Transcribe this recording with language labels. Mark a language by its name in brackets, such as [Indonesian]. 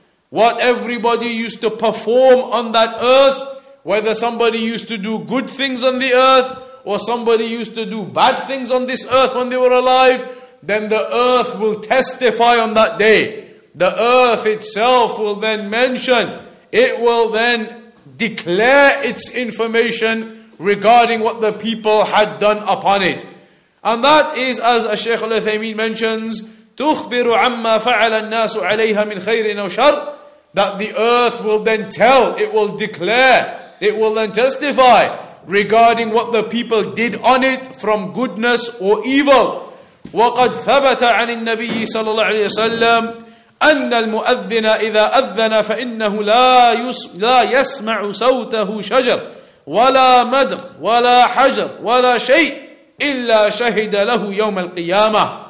[English] What everybody used to perform on that earth, whether somebody used to do good things on the earth, or somebody used to do bad things on this earth when they were alive, then the earth will testify on that day. The earth itself will then mention, it will then declare its information regarding what the people had done upon it. And that is, as Shaykh Al-Uthaymeen mentions, [Arabic] تُخْبِرُ عَمَّا فَعَلَ النَّاسُ عَلَيْهَا مِنْ خَيْرٍ أَوْ شَرٍ. [English] That the earth will then tell, it will declare, it will then testify regarding what the people did on it from goodness or evil. [Arabic] وَقَدْ ثَبَتَ عَنِ النَّبِيِّ صَلَى اللَّهُ عَلَيْهِ وَسَلَّمَ أَنَّ الْمُؤَذِّنَ إِذَا أَذَّنَ فَإِنَّهُ لَا يَسْمَعُ سَوْتَهُ شَجَرٌ وَلَا مَدْرٌ وَلَا حَجَرٌ وَلَا شَيْءٌ إِلَّا شَهِدَ لَهُ يَوْمَ الْقِيَامَةِ.